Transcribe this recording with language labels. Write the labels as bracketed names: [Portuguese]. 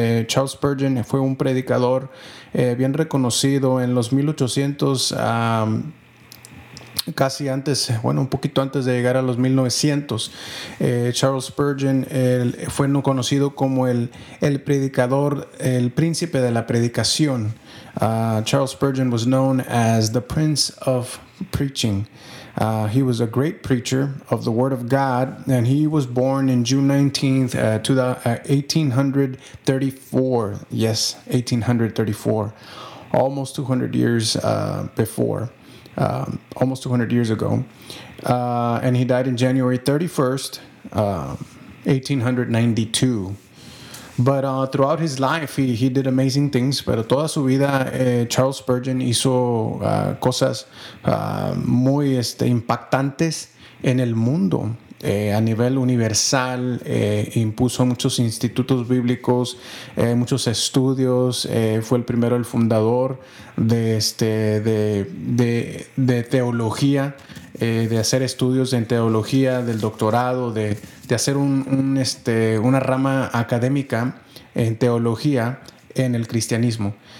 [Spanish] Charles Spurgeon fue un predicador bien reconocido en los 1800, casi antes, bueno, un poquito antes de llegar a los 1900. Charles Spurgeon fue conocido como el predicador, el príncipe de la predicación. [English] Charles Spurgeon was known as the prince of preaching. He was a great preacher of the word of God, and he was born in June 19th, 1834. Yes, 1834, almost 200 years before. Almost 200 years ago, and he died in January 31st, 1892. But throughout his life, he did amazing things. [Spanish] Pero toda su vida, Charles Spurgeon hizo cosas muy impactantes en el mundo. A nivel universal, impuso muchos institutos bíblicos, muchos estudios, fue el primero, el fundador de teología, de hacer estudios en teología, del doctorado, de hacer una rama académica en teología en el cristianismo.